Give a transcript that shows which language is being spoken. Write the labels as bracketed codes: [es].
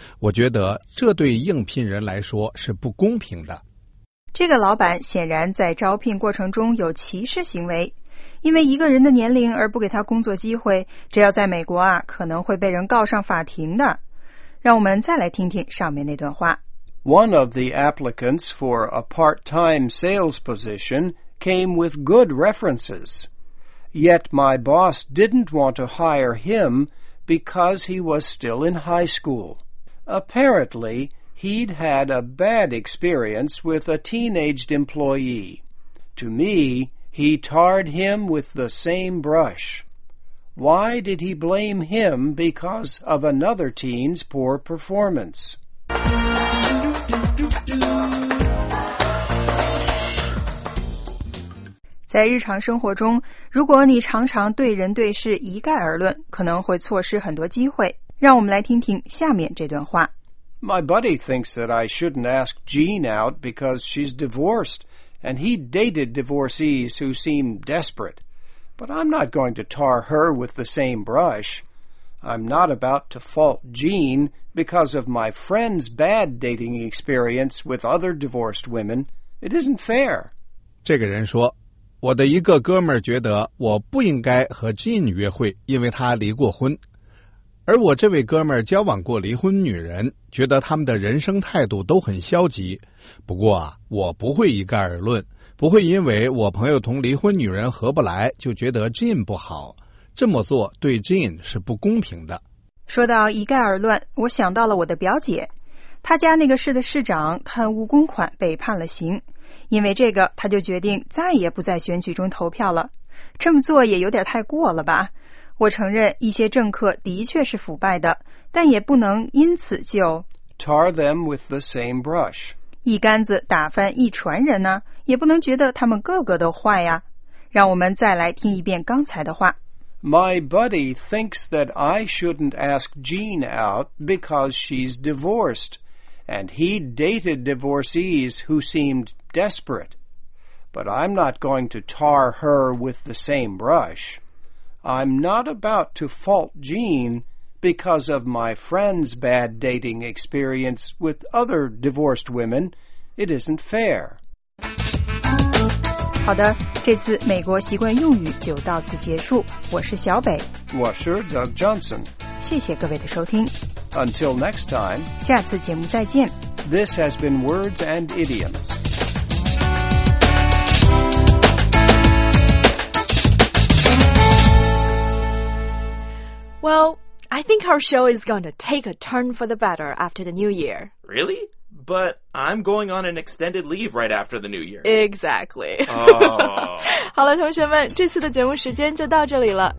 [zh] 我觉得这对应聘人来说是不公平的。这个老板显然在招聘过程中有歧视行为，因为一个人的年龄而不给他工作机会，这要在美国啊，可能会被人告上法庭的。让我们再来听听上面那段话。 [en] One of the applicants for a part-time sales position came with good references. Yet my boss didn't want to hire him because he was still in high school. Apparently, he'd had a bad experience with a teenaged employee. To me, he tarred him with the same brush. Why did he blame him because of another teen's poor performance? [zh] 在日常生活中，如果你常常对人对事一概而论，可能会错失很多机会。让我们来听听下面这段话。 [en] My buddy thinks that I shouldn't ask Jean out because she's divorced, and he dated divorcees who seem desperate. But I'm not going to tar her with the same brush. I'm not about to fault Jean because of my friend's bad dating experience with other divorced women. It isn't fair. [zh] 这个人说，我的一个哥们儿觉得我不应该和 Jean 约会，因为她离过婚。而我这位哥们儿交往过离婚女人，觉得他们的人生态度都很消极。不过啊，我不会一概而论，不会因为我朋友同离婚女人合不来就觉得 Jean 不好，这么做对 Jean 是不公平的。说到一概而论，我想到了我的表姐，她家那个市的市长贪污公款被判了刑，因为这个她就决定再也不在选举中投票了。这么做也有点太过了吧。我承认一些政客的确是腐败的，但也不能因此就 [en] tar them with the same brush， [zh] 一竿子打翻一船人呢、啊、也不能觉得他们个个都坏呀、啊。让我们再来听一遍刚才的话。 [en] My buddy thinks that I shouldn't ask Jean out because she's divorced and he dated divorcees who seemed desperate， but I'm not going to tar her with the same brush。 I'm not about to fault Jean because of my friend's bad dating experience with other divorced women. It isn't fair. [zh] 好的，这次美国习惯用语就到此结束。我是小北。我是 Doug Johnson。谢谢各位的收听。 [en] Until next time. [zh] 下次节目再见。 [en] This has been Words and Idioms. Well, I think our show is going to take a turn for the better after the new year. Really? But I'm going on an extended leave right after the new year. Exactly. Oh. [zh] 好了，同学们，这次的节目时间就到这里了。